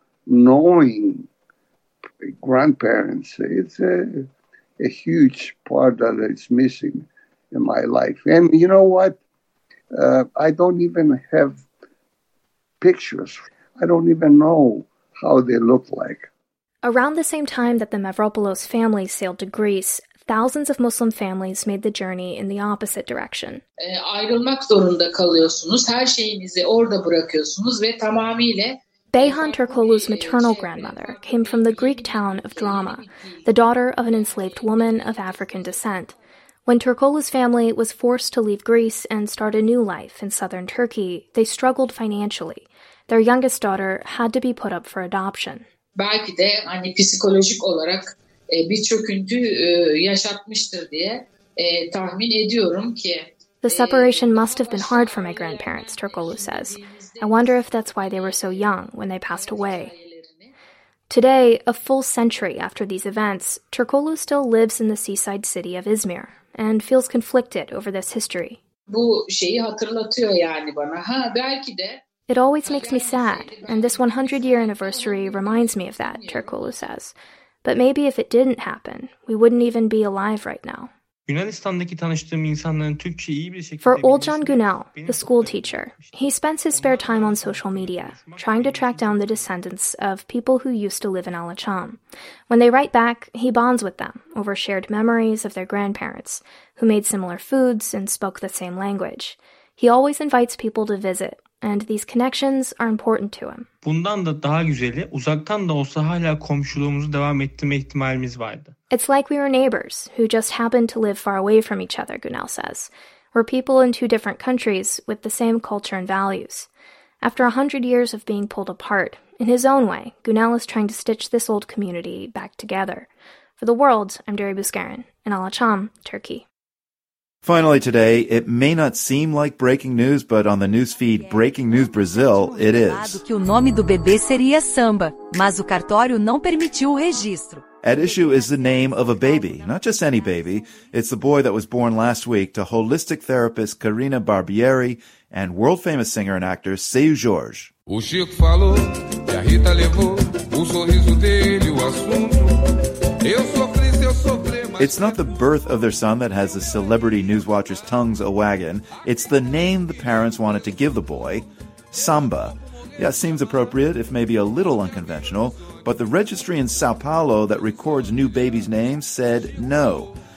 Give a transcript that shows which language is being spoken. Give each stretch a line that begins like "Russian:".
English: knowing grandparents, it's a huge part that is missing in my life. And you know what? I don't even have pictures. I don't even know how they look like. Around the same time that the Mavropoulos family sailed to Greece, thousands of Muslim families made the journey in the opposite direction.
Turkish: Ayrılmak zorunda kalıyorsunuz. Her şeyinizi orada bırakıyorsunuz ve tamamıyla...
English: Beyhan Turkoğlu's maternal grandmother came from the Greek town of Drama, the daughter of an enslaved woman of African descent. When Turkoğlu's family was forced to leave Greece and start a new life in southern Turkey, they struggled financially. Their youngest daughter had to be put up for adoption.
Turkish: Belki de hani psikolojik olarak bir çöküntü yaşatmıştır diye tahmin ediyorum ki.
English: The separation must have been hard for my grandparents, Turkoğlu says. I wonder if that's why they were so young when they passed away. Today, a full century after these events, Turkoğlu still lives in the seaside city of Izmir and feels conflicted over this history.
Turkish: Bu şeyi hatırlatıyor yani bana. Ha, belki de...
English: It always makes me sad, and this 100-year anniversary reminds me of that, Turkoğlu says. But maybe if it didn't happen, we wouldn't even be alive right now. For Olcan Günel, the school teacher, he spends his spare time on social media, trying to track down the descendants of people who used to live in Alaçam. When they write back, he bonds with them over shared memories of their grandparents, who made similar foods and spoke the same language. He always invites people to visit, and these connections are important to him.
Turkish: Bundan da daha güzeli, uzaktan da olsa hala komşuluğumuzu devam ettirme ihtimalimiz vardı.
English: It's like we were neighbors who just happened to live far away from each other, Günel says. We're people in two different countries with the same culture and values. After 100 years of being pulled apart, in his own way, Günel is trying to stitch this old community back together. For the world, I'm Derya Buzgarin, in Alaçam, Turkey. Finally today, it may not seem like breaking news, but on the news feed Breaking News Brazil, it is.
Portuguese: Que o nome do bebê seria Samba, mas o cartório não permitiu o registro.
English: At issue is the name of a baby, not just any baby. It's the boy that was born last week to holistic therapist Karina Barbieri and world-famous singer and actor Seu Jorge.
Portuguese: O Chico falou e a Rita levou o sorriso dele, o assunto. Eu sofri, seu sofri.
English: It's not the birth of their son that has the celebrity news watchers' tongues a-wagging. It's the name the parents wanted to give the boy, Samba. Yeah, seems appropriate, if maybe a little unconventional, but the registry in Sao Paulo that records new babies' names said no.